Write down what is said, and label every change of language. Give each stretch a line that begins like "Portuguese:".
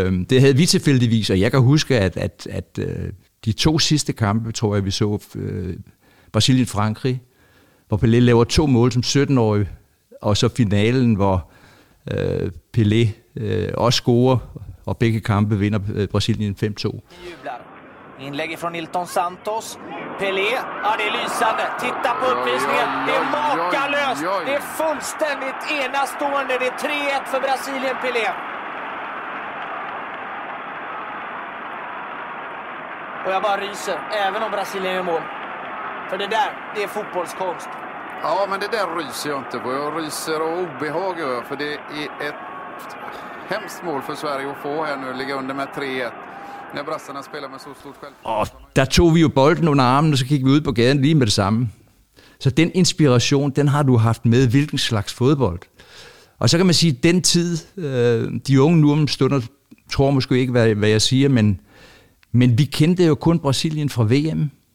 Danish: Det havde vi tilfældigvis, og jeg kan huske, at de to sidste kampe, tror jeg, vi så Brasilien-Frankrig, hvor Pelé laver to mål som 17-årig, og så finalen, hvor Pelé også scorer, og begge kampe vinder Brasilien 5-2.
Swedish: Inlägg från Nilton Santos. Pelé, ja, det är lysande. Titta på uppvisningen. Det är makalöst. Det är fullständigt enastående. Det är 3-1 för Brasilien, Pelé. Och jag bara ryser, även om Brasilien gör mål. För det där, det är fotbollskonst. Ja, men det där ryser jag inte på. Jag ryser och obehag över, för det är ett hemskt mål för Sverige att få här nu, ligga under med 3-1.
Danish: Når brasserne spiller med så stort selv. Og der tog vi jo bolden under armen, og så gik vi ud på gaden lige med det samme. Så den inspiration, den har du haft med, hvilken slags fodbold. Og så kan man sige, at den tid, de unge nu om stunder, tror måske ikke, hvad jeg siger, men vi kendte jo kun Brasilien fra VM.